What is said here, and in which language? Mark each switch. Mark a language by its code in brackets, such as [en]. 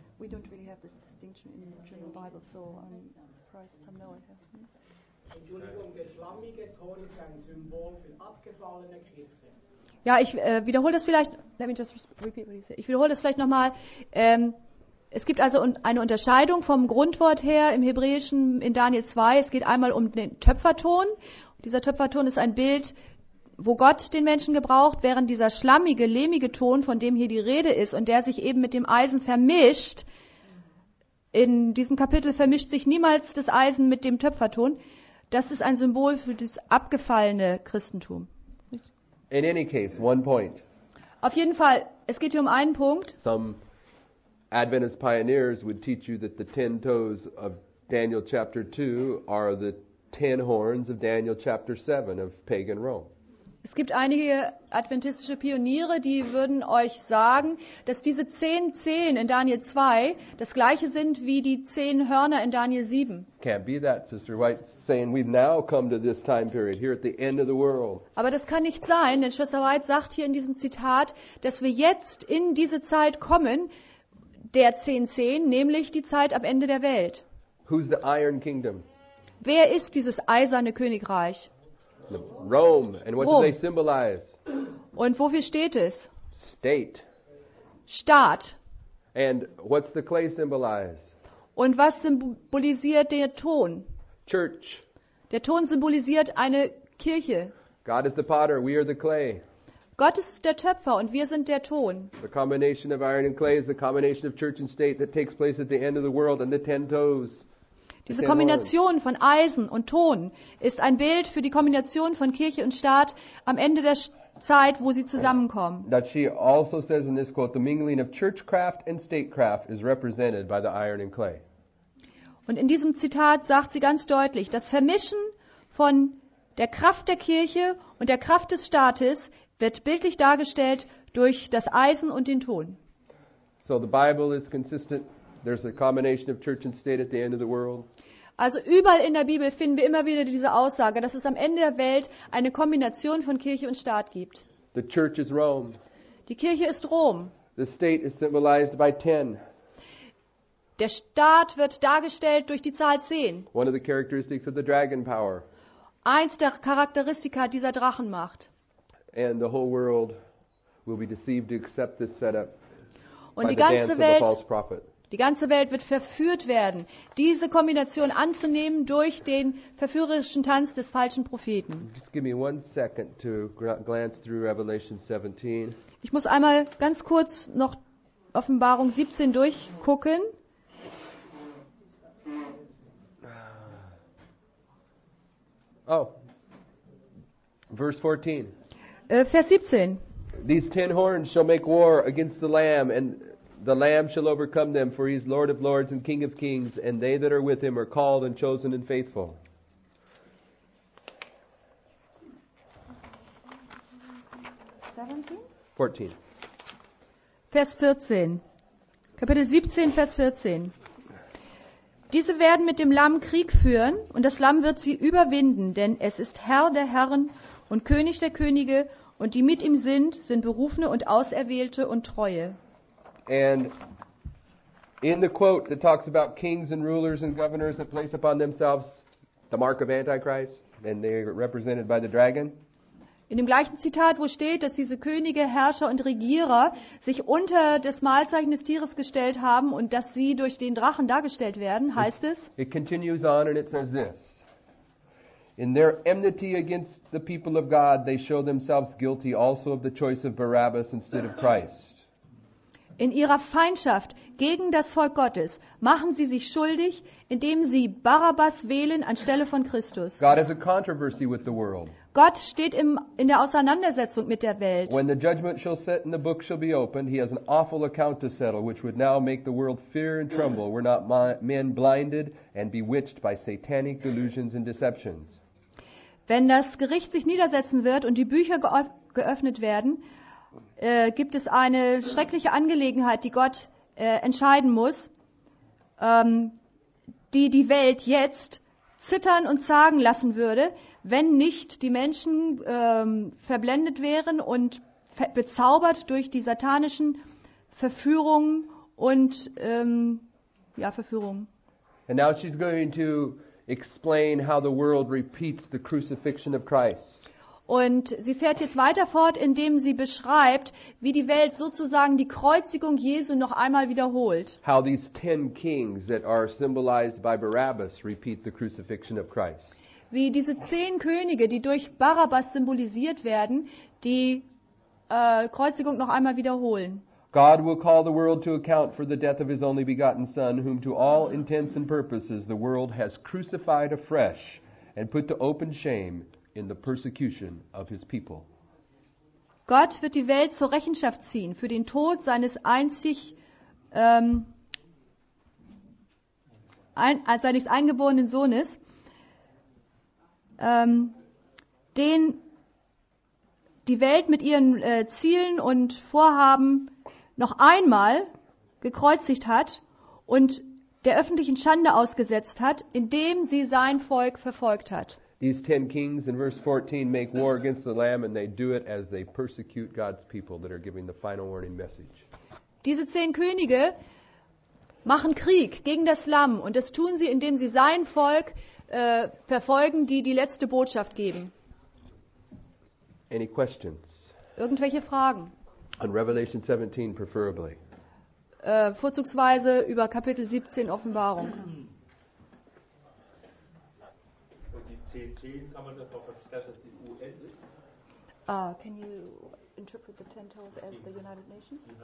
[en] We don't really have this distinction in the German Bible, so I'm surprised some know it. [de] Entschuldigung, der schlammige Ton ist ein Symbol für abgefallene Kirche. Ja, ich wiederhole das vielleicht. [en] Let me just repeat what you said. [de] Ich wiederhole das vielleicht nochmal. Es gibt also eine Unterscheidung vom Grundwort her im Hebräischen in Daniel 2. Es geht einmal um den Töpferton. Und dieser Töpferton ist ein Bild, wo Gott den Menschen gebraucht, während dieser schlammige, lehmige Ton, von dem hier die Rede ist und der sich eben mit dem Eisen vermischt, In diesem Kapitel vermischt sich niemals das Eisen mit dem Töpferton. Das ist ein Symbol für das abgefallene Christentum. [en] In any case, one point. [de] Auf jeden Fall, es geht hier um einen Punkt. [en] Some Adventist pioneers would teach you that the 10 toes of Daniel chapter 2 are the 10 horns of Daniel chapter 7 of pagan Rome. [de] Es gibt einige adventistische Pioniere, die würden euch sagen, dass diese 10 Zehen in Daniel 2 das gleiche sind wie die 10 Hörner in Daniel 7. [en] Can't be that, Sister White, saying we've now come to this time period here at the end of the world. [de] Aber das kann nicht sein, denn Schwester White sagt hier in diesem Zitat, dass wir jetzt in diese Zeit kommen, der 10 Zehen, nämlich die Zeit am Ende der Welt. [en] Who's the Iron Kingdom? [de] Wer ist dieses eiserne Königreich? [en] Rome. And what do they symbolize? [de] Und wofür steht es? [en] State. [de] Staat. [en] And what's the clay symbolize? [de] Und was symbolisiert der Ton? [en] Church. [de] Der Ton symbolisiert eine Kirche. [en] God is the potter, we are the clay. [de] Gott ist der Töpfer und wir sind der Ton. [en] The combination of iron and clay is the combination of church and state that takes place at the end of the world and the ten toes. [de] Diese Kombination von Eisen und Ton ist ein Bild für die Kombination von Kirche und Staat am Ende der Zeit, wo sie zusammenkommen. [en] That she also says in this quote, the mingling of churchcraft and statecraft is represented by the iron and clay. [de] Und in diesem Zitat sagt sie ganz deutlich, das Vermischen von der Kraft der Kirche und der Kraft des Staates wird bildlich dargestellt durch das Eisen und den Ton. [en] So the Bible is consistent. There's a combination of church and state at the end of the world. [de] Also überall in der Bibel finden wir immer wieder diese Aussage, dass es am Ende der Welt eine Kombination von Kirche und Staat gibt. [en] The church is Rome. [de] Die Kirche ist Rom. [en] The state is symbolized by 10. [de] Der Staat wird dargestellt durch die Zahl 10. [en] One of the characteristics of the dragon power. [de] Eins der Charakteristika dieser Drachenmacht. [en] And the whole world will be deceived to accept this setup. [de] Und die ganze Welt, die ganze Welt wird verführt werden, diese Kombination anzunehmen durch den verführerischen Tanz des falschen Propheten. [en] Just give me one second to glance through Revelation 17. [de] Ich muss einmal ganz kurz noch Offenbarung 17 durchgucken. Oh, Vers 14. Vers 17. [en] These 10 horns shall make war against the Lamb and the Lamb shall overcome them, for he is Lord of lords and King of kings, and they that are with him are called and chosen and faithful. [de] Vers 14. Kapitel 17, Vers 14. Diese werden mit dem Lamm Krieg führen, und das Lamm wird sie überwinden, denn es ist Herr der Herren und König der Könige, und die mit ihm sind, sind Berufene und Auserwählte und Treue. [en] And in the quote that talks about kings and rulers and governors that place upon themselves the mark of Antichrist, and they are represented by the dragon. [de] In dem gleichen Zitat, wo steht, dass diese Könige, Herrscher und Regierer sich unter das Malzeichen des Tieres gestellt haben und dass sie durch den Drachen dargestellt werden, heißt es. [en] It continues on and it says this. In their enmity against the people of God, they show themselves guilty also of the choice of Barabbas instead of Christ. [de] In ihrer Feindschaft gegen das Volk Gottes machen sie sich schuldig, indem sie Barabbas wählen anstelle von Christus. [en] God has a controversy with the world. [de] Gott steht in der Auseinandersetzung mit der Welt. [en] When the judgment shall sit and the book shall be opened, he has an awful account to settle, which would now make the world fear and tremble, were not men blinded and bewitched by satanic delusions and deceptions. [de] Wenn das Gericht sich niedersetzen wird und die Bücher geöffnet werden, gibt es eine schreckliche Angelegenheit, die Gott entscheiden muss, die Welt jetzt zittern und zagen lassen würde, wenn nicht die Menschen verblendet wären und bezaubert durch die satanischen Verführungen und Verführungen. [en] And now she's going to explain how the world repeats the crucifixion of Christ. [de] Und sie fährt jetzt weiter fort, indem sie beschreibt, wie die Welt sozusagen die Kreuzigung Jesu noch einmal wiederholt. [en] How these 10 kings that are symbolized by Barabbas repeat the crucifixion of Christ. [de] Wie diese 10 Könige, die durch Barabbas symbolisiert werden, die Kreuzigung noch einmal wiederholen. [en] God will call the world to account for the death of His only begotten Son, whom to all intents and purposes the world has crucified afresh and put to open shame in the persecution of His people. [de] Gott wird die Welt zur Rechenschaft ziehen für den Tod seines einzig seines eingeborenen Sohnes, den die Welt mit ihren Zielen und Vorhaben noch einmal gekreuzigt hat und der öffentlichen Schande ausgesetzt hat, indem sie sein Volk verfolgt hat. [en] These 10 kings in verse 14 make war against the Lamb and they do it as they persecute God's people that are giving the final warning message. [de] Diese 10 Könige machen Krieg gegen das Lamm und das tun sie, indem sie sein Volk verfolgen, die letzte Botschaft geben. [en] Any questions? [de] Irgendwelche Fragen? [en] On Revelation 17 preferably. [de] Vorzugsweise über Kapitel 17 Offenbarung. Und die 10 kann man das auch verstehen, dass die UN ist? [en] Ah, can you interpret the 10 toes as the United Nations?